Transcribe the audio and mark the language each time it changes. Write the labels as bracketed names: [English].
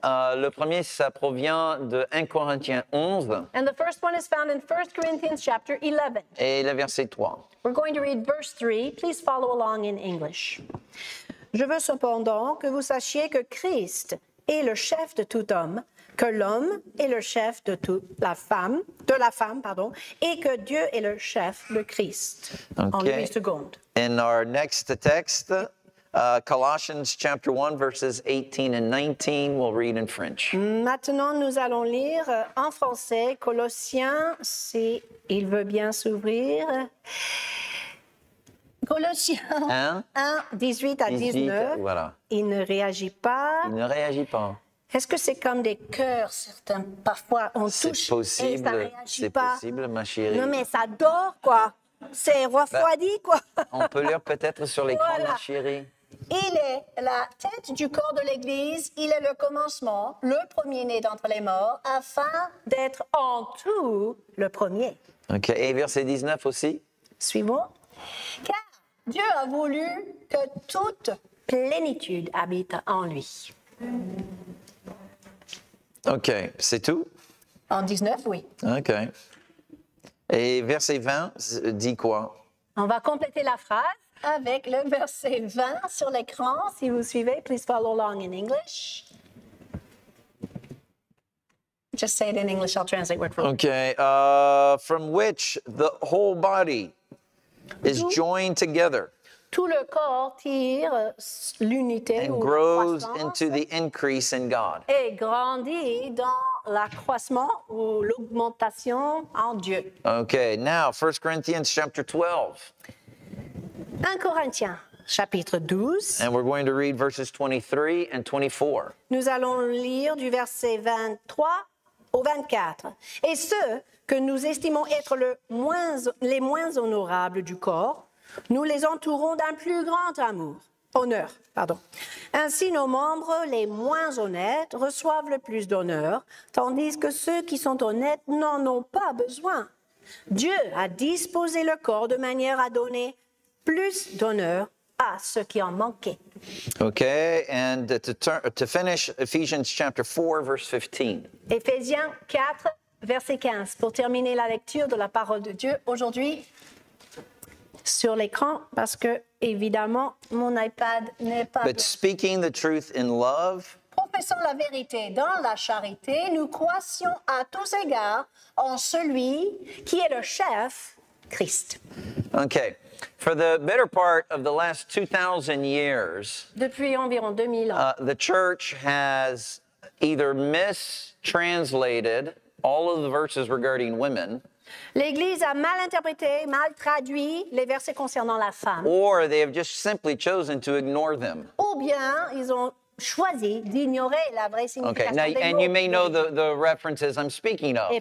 [French] Le premier, ça provient de 1 Corinthiens 11. [English] And the first one is found in 1 Corinthians chapter 11. [French] Et le verset 3. [English] We're going to read verse 3. Please follow along in English. [French] Je veux cependant que vous sachiez que Christ est le chef de tout homme, que l'homme est le chef de toute la femme, et que Dieu est le chef de Christ. [English] Okay. [French] En 8 secondes. [English] In our next text, Colossians chapter 1, verses 18 and 19, we'll read in French. [French] Maintenant, nous allons lire en français Colossiens, si il veut bien s'ouvrir. Colossiens 1, 18 à 19. Voilà. Il ne réagit pas. Il ne réagit pas. Est-ce que c'est comme des cœurs, certains, parfois, on c'est touche possible, et ça réagit c'est pas? C'est possible, ma chérie. Non, mais ça dort, quoi. C'est refroidi, quoi. On peut lire peut-être sur l'écran, voilà. ma chérie. Il est la tête du corps de l'Église, il est le commencement, le premier-né d'entre les morts, afin d'être en tout le premier. OK, et verset 19 aussi. Suivons. Car Dieu a voulu que toute plénitude habite en lui. OK, c'est tout? En 19, oui. OK. Et verset 20 dit quoi? On va compléter la phrase avec le verset 20 sur l'écran. Si vous suivez, [English] please follow along in English. Just say it in English, I'll translate word for word. Okay, from which the whole body is joined together. [French] Tout le corps tire l'unité [English] and grows into the increase in God. [French] Et grandit dans l'accroissement ou l'augmentation en Dieu. [English] Okay, now 1 Corinthians chapter 12. [French] 1 Corinthiens chapitre 12. [English] And we're going to read verses 23 and 24. [French] Nous allons lire du verset 23 au 24. Et ceux que nous estimons être les moins honorables du corps, nous les entourons d'un plus grand honneur. Ainsi, nos membres les moins honnêtes reçoivent le plus d'honneur, tandis que ceux qui sont honnêtes n'en ont pas besoin. Dieu a disposé le corps de manière à donner plus d'honneur à ceux qui en manquaient. [English] Okay, and to finish Ephesians chapter 4, verse 15. [French] Éphésiens 4, verset 15. Pour terminer la lecture de la parole de Dieu aujourd'hui, sur l'écran, parce que, évidemment, mon iPad n'est pas... [English] But speaking the truth in love... [French] Professons la vérité dans la charité, nous croissions à tous égards en celui qui est le chef, Christ. [English] Okay. For the better part of the last 2,000 years... [French] Depuis environ 2000 ans. [English] The church has either mistranslated all of the verses regarding women... [French] L'Église a mal interprété, mal traduit les versets concernant la femme. [English] Or they have just simply chosen to ignore them. [French] Ou bien ils ont choisi d'ignorer la vraie signification [English] okay. Now, [French] des mots. [English] And you may know the references I'm speaking of.